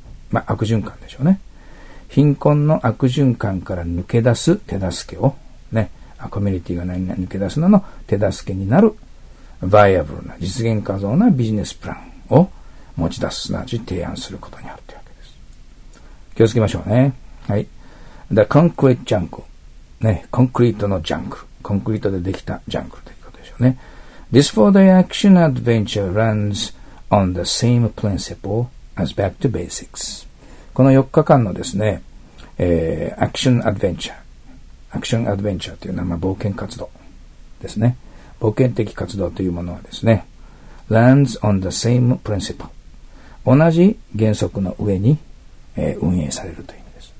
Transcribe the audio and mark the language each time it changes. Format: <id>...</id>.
<ja>まあ、悪循環でしょうね。貧困の悪循環から抜け出す手助けをね、コミュニティが何々抜け出すのの手助けになるバイアブルな、実現可能なビジネスプランを持ち出す、すなわち提案することにあるというわけです。気をつけましょうね。はい。</ja> <en>The concrete jungle。</en> <ja>ね、コンクリートのジャングル。コンクリートでできたジャングルということでしょうね。</ja> <en>This four-day action adventure runs on the same principle as back to basics。</en> <ja>この4日間のですね、アクションアドベンチャー。アクションアドベンチャーというのは、まあ、冒険活動ですね。冒険的活動というものはですね、</ja> <en>lands on the same principle。</en> <ja>同じ原則の上に、運営されるという意味です。</ja>